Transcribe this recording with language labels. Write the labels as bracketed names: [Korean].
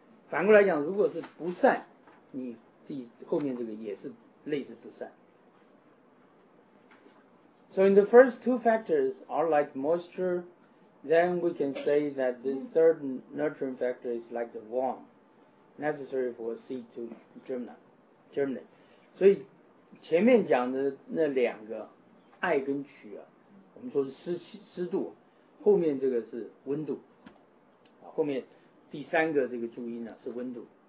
[Chinese] 反过来讲，如果是不善，你后面这个也是类似不善。 [English] So in the first two factors are like moisture, then we can say that this third nurturing factor is like the warmth necessary for seed to germinate. [Chinese] 所以前面讲的那两个爱跟取啊，我们说是湿度，后面这个是温度，后面第三个这个注音呢、啊、是温度。